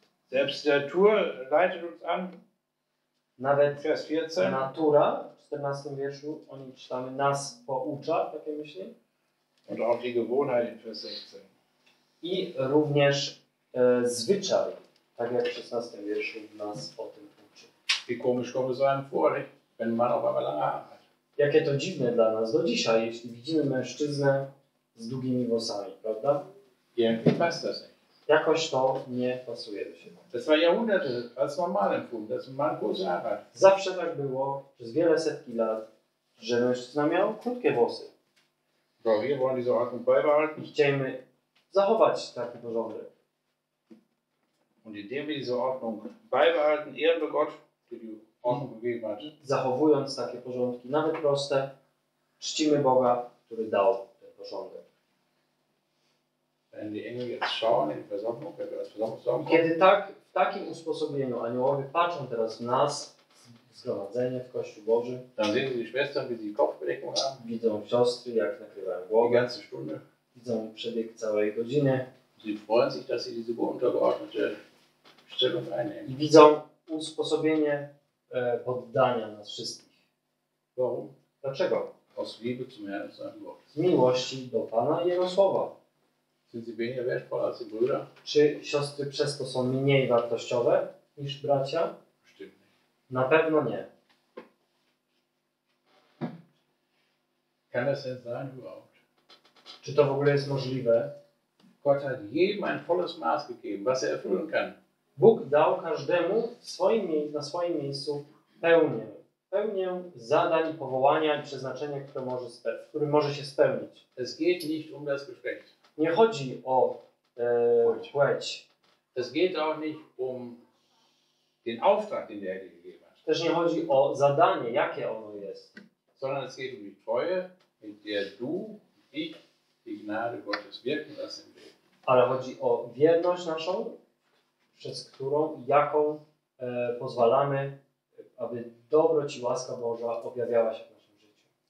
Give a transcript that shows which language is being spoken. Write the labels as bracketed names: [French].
[German] Selbst die Natur leitet uns an. [Polish] Nawet [German] Vers 14. [Polish] Natura w 14 wierszu, o nim czytamy, nas poucza, takie myśli. [German] Und auch die Gewohnheit in Vers 16. [Polish] I również zwyczaj. Tak jak w 16 wierszu nas o tym uczy. [German] Wie komisch kommen so einem vor, wenn man auf einmal lange Haare. [Polish] Jakie to dziwne dla nas do dzisiaj, jeśli widzimy mężczyznę z długimi włosami, prawda? [German] Irgendwie passt das nicht. [Polish] Jakoś to nie pasuje do siebie. [German] Das war Jahrhunderte als normal empfunden, dass man kurze Haare hat. [Polish] Zawsze tak było, przez wiele setki lat, że mężczyzna miał krótkie włosy. [German] Bo wir wollen diese Ordnung beibehalten. [Polish] I chcemy zachować taki porządek. [German] Und indem wir diese Ordnung beibehalten, ehren wir Gott, der die Ordnung gegeben hat. [Polish] Zachowując takie porządki, nawet proste, czcimy Boga, który dał ten porządek. [German] Wenn die Engel jetzt schauen in die Versammlung, wenn wir als Versammlung sagen, [Polish] kiedy tak, w takim usposobieniu aniołowie patrzą teraz w nas, zgromadzenie w Kościół Boży, [German] dann sehen sie die Schwestern, wie sie die Kopfbedeckung haben. [Polish] Widzą siostry, jak nakrywają głowę. [German] Die ganze Stunde. [Polish] Widzą przebieg całej godziny. [German] Sie freuen sich, dass sie diese untergeordnete Stellung einnehmen. [Polish] I widzą usposobienie poddania nas wszystkich. [German] Warum? [Polish] Dlaczego? [German] Aus Liebe zum Herrn und seinem Wort. [Polish] Z miłości do Pana i Jego Słowa. [German] Sind sie weniger wertvoll als die Brüder? [Polish] Czy siostry przez to są mniej wartościowe niż bracia? [German] Bestimmt. [Polish] Na pewno nie. [German] Kann das denn sein überhaupt? [Polish] Czy to w ogóle jest możliwe? [German] Gott hat jedem ein volles Maß gegeben, was erfüllen kann. [Polish] Bóg dał każdemu na swoim miejscu pełnię zadań, powołania i przeznaczenia, które może się spełnić. [German] Es geht nicht um das Geschlecht. [Polish] Nie chodzi o płeć. [German] Es geht auch nicht um den Auftrag, den der Herr gegeben hat. [Polish] Też nie chodzi o zadanie, jakie ono jest. [German] Sondern es geht um die Treue, in der du, ich, die Gnade Gottes wirken lassen. [Polish] Ale chodzi o wierność naszą, przez którą i jaką pozwalamy, aby dobroć i łaska Boża objawiała się w naszym życiu.